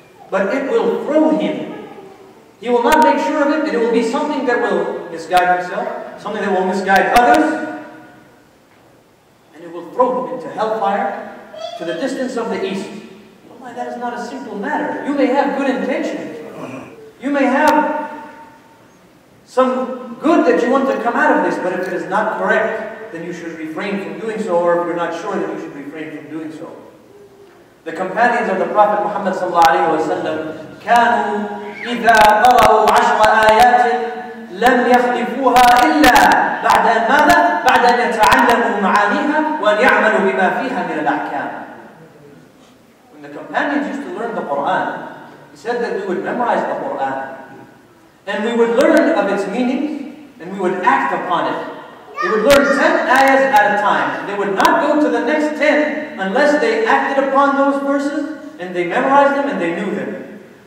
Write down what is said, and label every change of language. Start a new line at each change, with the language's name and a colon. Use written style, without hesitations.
English: But it will throw him. He will not make sure of it, and it will be something that will misguide himself, something that will misguide others, and it will throw him into hellfire to the distance of the east. Oh my, that is not a simple matter. You may have good intentions. You may have some good that you want to come out of this, but if it is not correct, then you should refrain from doing so, or if you're not sure, then you should refrain from doing so. The companions of the Prophet Muhammad sallallahu alayhi wa sallam,
Arabic: كانوا إذا قرأوا عشر آيات لم يخلفوها إلا بعد أن ماذا؟ بعد أن يتعلموا معانيها وأن يعملوا بما فيها من الأحكام.
English: When the companions used to learn the Quran, he said that we would memorize the Quran, and we would learn of its meaning, and we would act upon it. We would learn 10 ayahs at a time. They would not go to the next 10 unless they acted upon those verses, and they memorized them, and they knew them.